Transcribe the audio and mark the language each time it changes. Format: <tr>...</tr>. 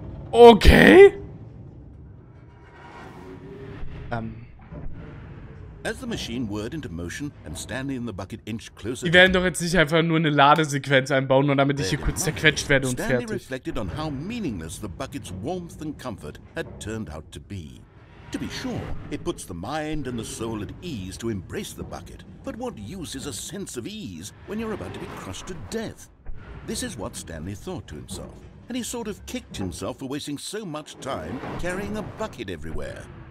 <en>Okay. As the machine whirred into motion and Stanley and the Bucket inched closer.</en> <de>Die werden doch jetzt nicht einfach nur eine Ladesequenz einbauen, nur damit ich hier kurz zerquetscht werde und fertig.</de> <en>Stanley reflected on how meaningless the Bucket's warmth and comfort had turned out to be. To be sure, it puts the mind and the soul at ease to embrace the Bucket. But what use is a sense of ease when you're about to be crushed to death? This is what Stanley thought to himself. And he sort of kicked himself for wasting so much time carrying a bucket everywhere.</en>